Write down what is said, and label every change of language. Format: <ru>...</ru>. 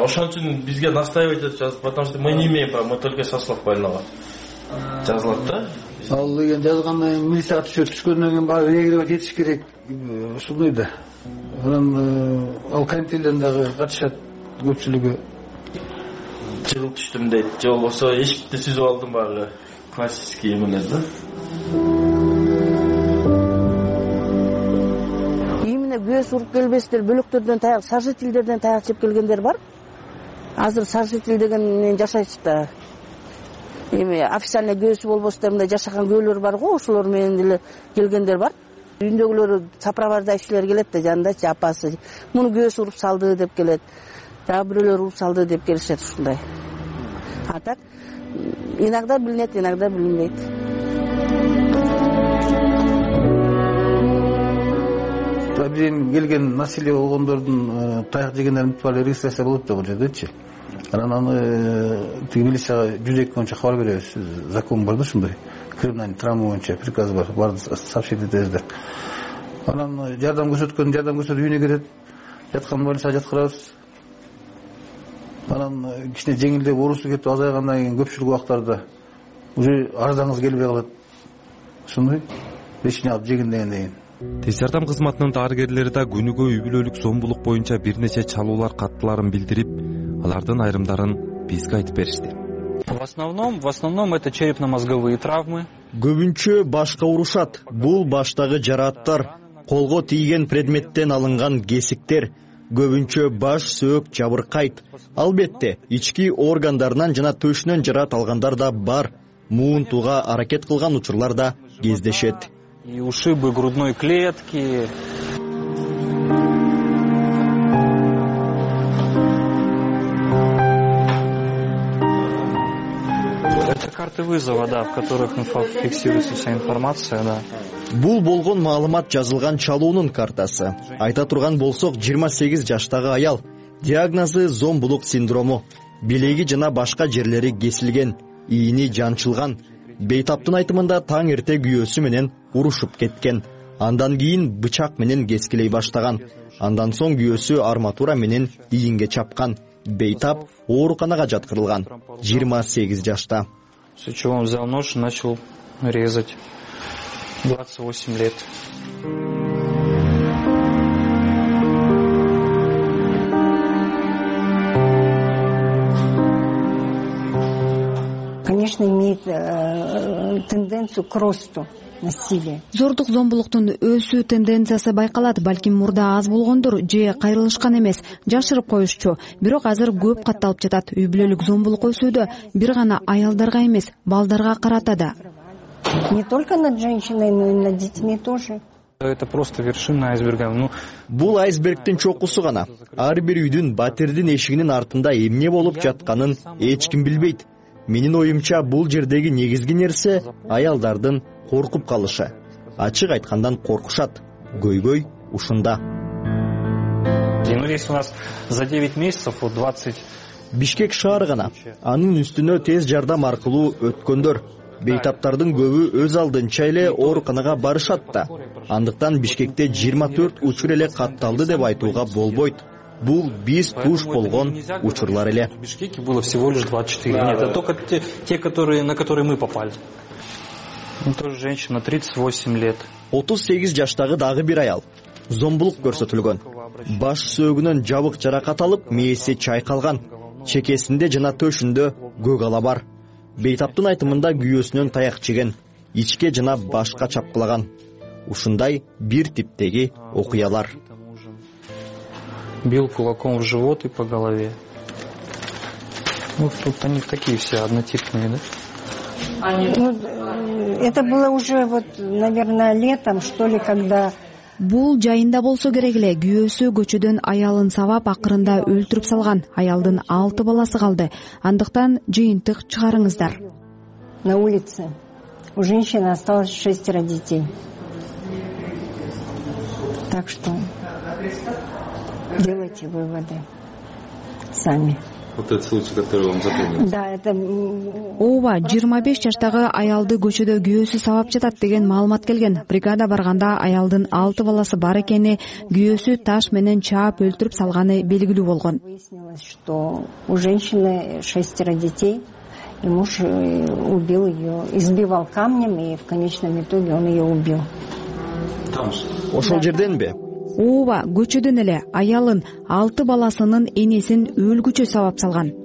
<ky>Ошон үчүн бизге настаивать этип жазып,</ky> <ru>потому что мы не имеем права, мы только со слов больного.</ru> <ky>Жазылат да. Ал деген жазгандан кийин милицияга түшкөндөн кийин баары эгерип кетиш керек ушундай да. Анан ал комитетлерден дагы катышат көпчүлүгү. Жыгылып түштүм дейт, же болбосо эшикти сүзүп алдым, баягы классический мынез да. Күйөөсү уруп келбестир, бөлөктөрдөн таяк, сожительдерден таяк жеп келгендер бар. Азыр сожитель деген менен жашайсы да. Эми официальный күйөөсү болбосо да мындай жашаган күйөөлөр бар го, ошолор менен деле келгендер бар. Үйүндөгүлөрү сопровождающийлер келет да жанындачы, апасы муну күйөөсү уруп салды деп келет, дагы бирөөлөр уруп салды деп келишет ушундай.</ky> <ru>А так иногда билинет, иногда билинбейт.</ru> <ky>Бизден келген насилие болгондордун таяк жегендердин тууралуу регистрация болот да бул жердечи. Анан аны тиги милицияга 102 боюнча кабар беребиз. Закон бар да ушундай. Криминальный травма боюнча приказ бар, баарын сообщить этесиздер. Анан жардам көрсөткөн жардам көрсөтүп үйүнө кирет, жаткан больницага жаткырабыз. Анан кичине жеңилдеп оорусу кетип азайгандан кийин көпчүлүк убактарда уже арызаңыз келбей калат. Ушундай лечение алып жегендегенден кийин. Тез жардам кызматынын дарыгерлери да күнүгө үй бүлөлүк зомбулук боюнча бир нече чалуулар каттыларын билдирип, алардын айрымдарын бизге айтып беришти.</ky> <ru>В основном это черепно-мозговые травмы.</ru> <ky>Көбүнчө башка урушат. Бул баштагы жараттар, колго тийген предметтен алынган кесиктер, көбүнчө баш сөөк жабыркайт. Албетте, ички органдарынан жана төшүнөн жарат алгандар да бар. Муунтуга аракет кылган учурлар да кездешет.</ky> <ru>И ушибы грудной клетки. Это карты вызова, да, в которых фиксируется вся информация, да.</ru> <ky>Бул болгон маалымат жазылган чалуунун картасы. Айта турган болсок, 28 жаштагы аял. Диагнозу зомбулук синдрому. Билеги жана башка жерлери кесилген, ийини жанчылган. Бейтаптын айтымында таң эрте күйөөсү менен урушуп кеткен. Андан кийин бычак менен кескилей баштаган. Андан соң күйөөсү арматура менен ийинге чапкан. Бейтап ооруканага жаткырылган. 28 жашта.</ky> <ru>Сучевом взял нож, начал резать. 28 лет. имеет тенденцию к росту.</ru> <ky>Зордук зомбулуктун өсүү тенденциясы байкалат, балким мурда аз болгондор же кайрылышкан эмес, жашырып коюшчу, бирок азыр көп катталып жатат. Үй-бүлөлүк зомбулук өсүүдө бир гана аялдарга эмес, балдарга карата да.</ky> <ru>Не только над женщиной, но и над детьми тоже. Это просто вершина айсберга.</ru> <ky>Бул айсбергтин чокусу гана. Ар бир үйдүн батирдин эшигинин артында эмне болуп жатканын эч ким билбейт. Менин оюмча бул жердеги негизги нерсе аялдардын коркуп калышы. Ачык айткандан коркушат. Көйгөй ушунда.</ky> <ru>Здесь у нас за 9 месяцев 20.</ru> <ky>Бишкек шаары гана. Анын үстүнө тез жардам аркылуу өткөндөр. Бейтаптардын көбү өз алдынча эле ооруканага барышат да. Андыктан Бишкекте 24 учур эле катталды деп айтууга болбойт. Бул биз туш болгон учурлар эле.</ky> <ru>В Бишкеке было всего лишь 24. Нет, это только те, которые, на которые мы попали. Ну, тоже женщина, 38 лет.</ru> <ky>38 жаштагы дагы бир аял. Зомбулук көрсөтүлгөн. Баш сөөгүнөн жабык жаракат алып, мээси чайкалган. Чекесинде жана төшүндө көк ала бар. Бейтаптын айтымында күйөөсүнөн таяк жеген, ичке жана башка чапкылаган. Ушундай бир типтеги окуялар.</ky> <ru>Бил кулаком в живот и по голове. Ну, тут они такие все однотипные, да? Ну, это было уже вот, наверное, летом, что ли, когда.</ru> <ky>Бул жайында болсо керек эле, күйөөсү көчөдөн аялын сабап акырында өлтүрүп салган. Аялдын 6 баласы калды. Андыктан жыйынтык чыгарыңыздар.</ky> <ru>На улице у женщины осталось 6 детей. Так что делайте выводы сами. Вот этот случай, который вам запомнился. Да, это.</ru> <ky>Ооба, 25 жаштагы аялды көчөдө күйөөсү сабап жатат деген маалымат келген. Бригада барганда аялдын 6 баласы бар экени, күйөөсү таш менен чаап өлтүрүп салганы белгилүү болгон.</ky> <ru>Выяснилось, что у женщины 6 детей, и муж убил ее, избивал камнем, и в конечном итоге он ее убил. Там же.</ru> <ky>Ошол жерденби? Ооба, көчөдөн эле аялын 6 баласынын энесин өлгүчө сабап салган.</ky>